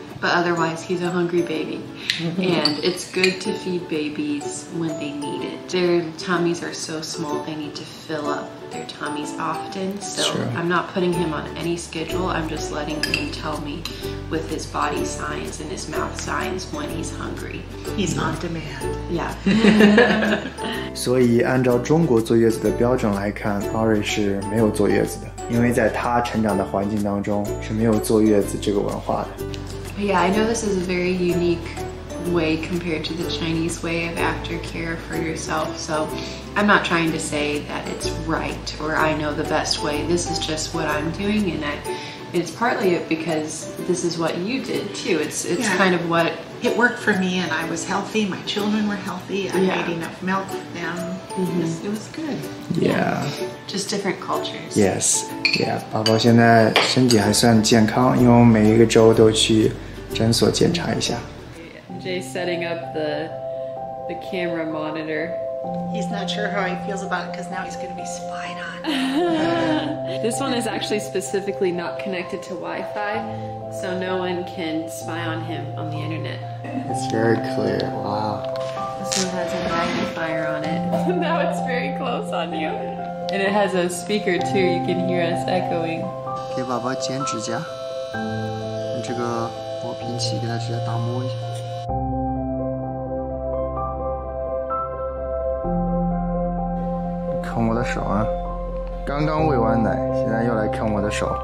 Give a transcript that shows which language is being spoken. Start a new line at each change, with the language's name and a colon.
English: But otherwise, he's a hungry baby. And it's good to feed babies when they need it. Their tummies are so small, they need to fill up their tummies often. So I'm not putting him on any schedule. I'm just letting him tell me with his body signs and his mouth signs when he's hungry. He's on demand. Yeah.
Chinese: 所以按照中国坐月子的标准来看 ，Ari 是没有坐月子的，因为在他成长的环境当中是没有坐月子这个文化的。
English: Yeah, I know this is a very unique way compared to the Chinese way of aftercare for yourself. So I'm not trying to say that it's right or I know the best way. This is just what I'm doing, and it's partly because this is what you did too. It's kind of what it worked for me, and I was healthy. My children were healthy. I made enough milk for them. It was good. Yeah. Just different cultures. Yes.
Chinese: Yeah, 宝宝现在身体还算健康，因为我每一个周都去诊所检查一下。
English: Jay setting up the camera monitor. He's not sure how he feels about it because now he's going to be spied on. This one is actually specifically not connected to Wi-Fi, so no one can spy on him on the internet. It's very clear. Wow. This one has a magnifier on it. Now it's very close on you. And it has a speaker too, you can hear us echoing.
Chinese: 给宝宝剪指甲，用这个薄平器给他直接打磨一下。啃我的手啊！刚刚喂完奶，现在又来啃我的手。